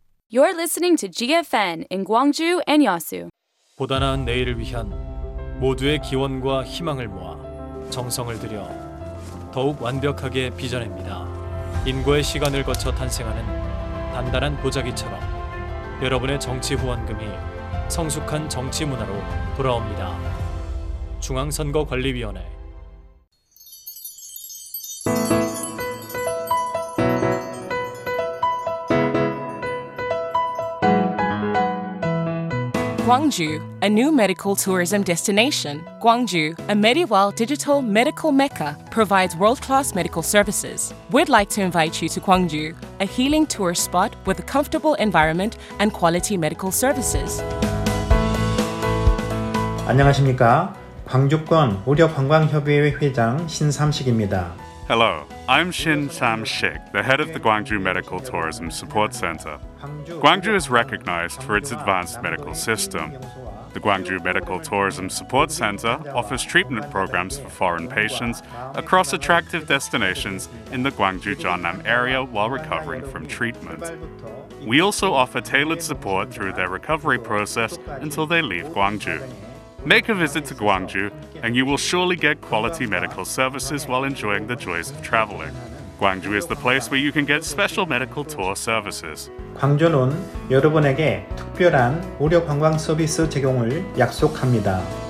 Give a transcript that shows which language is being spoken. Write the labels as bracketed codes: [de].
[en] You're listening to GFN in Gwangju and Yeosu. [ko] 보다 나은 내일을 위한 모두의 기원과 희망을 모아 정성을 들여 더욱 완벽하게 빚어냅니다. 인고의 시간을 거쳐 탄생하는 단단한 보자기처럼 여러분의 정치 후원금이 성숙한 정치 문화로 돌아옵니다. 중앙선거관리위원회. [en] 광주, a new medical tourism destination. Gwangju, a medieval digital medical mecca, provides world-class medical services. We'd like to invite you to Gwangju, a healing tourist spot with a comfortable environment and quality medical services. [ko] 안녕하십니까? 광주권 의료관광협의회 회장 신삼식입니다. [en] Hello, I'm Shin Sam Shik, the head of the Gwangju Medical Tourism Support Center. Gwangju is recognized for its advanced medical system. The Gwangju Medical Tourism Support Center offers treatment programs for foreign patients across attractive destinations in the Gwangju Jeonnam area while recovering from treatment. We also offer tailored support through their recovery process until they leave Gwangju. Make a visit to Gwangju, and you will surely get quality medical services while enjoying the joys of traveling. Gwangju is the place where you can get special medical tour services. [ko] 광주는 여러분에게 특별한 의료 관광 서비스 제공을 약속합니다.